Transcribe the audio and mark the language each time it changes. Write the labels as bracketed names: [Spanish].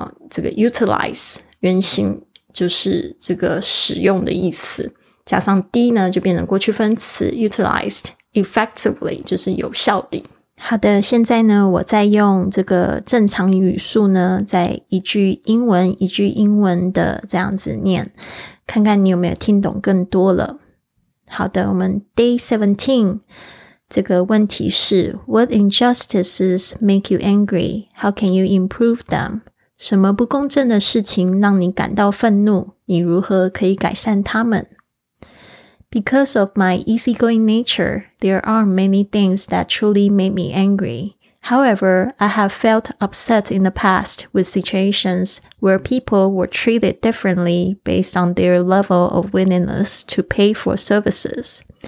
[Chinese] 这个 utilize 原型就是这个使用的意思，加上 d 呢就变成过去分词 utilized effectively, 就是有效的。好的，现在呢我再用这个正常语速呢再一句英文一句英文的这样子念，看看你有没有听懂更多了。好的，我们 day 17这个问题是 [English] What injustices make you angry? How can you improve them? [Chinese] 什么不公正的事情让你感到愤怒？你如何可以改善它们？ [English] Because of my easygoing nature, there are many things that truly make me angry. However, I have felt upset in the past with situations where people were treated differently based on their level of willingness to pay for services.